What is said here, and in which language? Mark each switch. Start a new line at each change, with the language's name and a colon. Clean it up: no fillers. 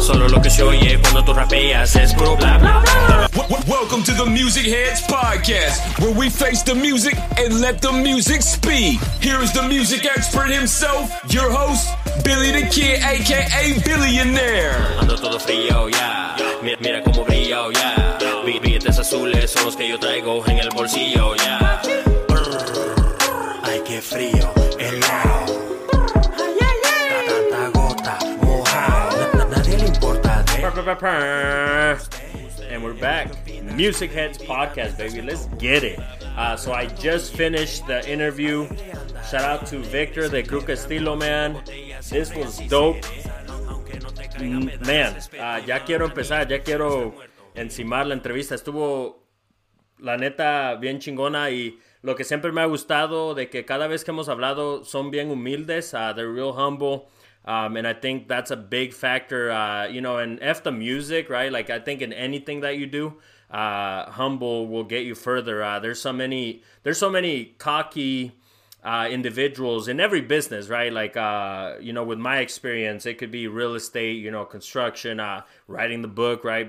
Spanish: Solo lo que se oye cuando tú rapeas es puro bla bla bla.
English: Welcome to the Music Heads Podcast, where we face the music and let the music speak. Here's the music expert himself, your host, Billy the Kid, aka Billionaire.
Spanish: Ando todo frío, ya. Yeah. Mira, mira cómo brillo, ya. Yeah. Billetes azules son los que yo traigo en el bolsillo, ya. Yeah. Ay, qué frío, helado. Ay, ay, ay. Tanta gota, mojado. Nadie le importa.
English: And we're back. Music Heads Podcast, baby. Let's get it. So I just finished the interview. Shout out to Victor, the Gruca Stilo, man. This was dope.
Spanish: Man, ya quiero empezar. Ya quiero encimar la entrevista. Estuvo, la neta, bien chingona. Y lo que siempre me ha gustado de que cada vez que hemos hablado son bien humildes.
English: They're real humble. And I think that's a big factor, you know, and F the music, right? Like, I think in anything that you do, humble will get you further. There's so many cocky individuals in every business, right? Like, you know, with my experience, it could be real estate, you know, construction, writing the book, right?